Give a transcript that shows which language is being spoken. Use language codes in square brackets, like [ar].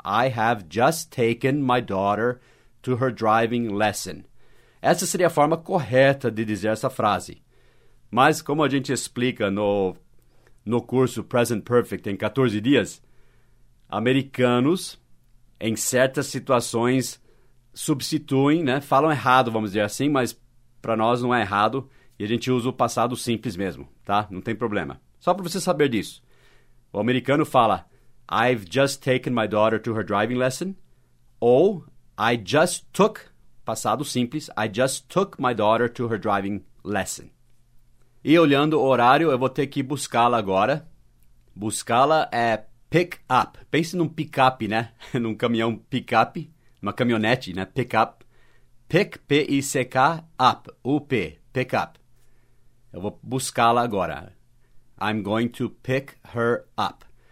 [en] I have just taken my daughter to her driving lesson. [pt] Essa seria a forma correta de dizer essa frase. Mas como a gente explica no curso present perfect em 14 dias, americanos, em certas situações, substituem, né? Falam errado, vamos dizer assim, mas para nós não é errado. E a gente usa o passado simples mesmo, tá? Não tem problema. Só para você saber disso. O americano fala, [en] I've just taken my daughter to her driving lesson. Ou, I just took, [pt] passado simples, [en] I just took my daughter to her driving lesson. [pt] E olhando o horário, eu vou ter que buscá-la agora. Buscá-la é pick up. Pense num pick-up, né? Num caminhão pick-up, uma caminhonete, né? Pick-up. Pick, P-I-C-K, up, U-P, pick-up. Eu vou buscá-la agora. [en] I'm going to pick her up.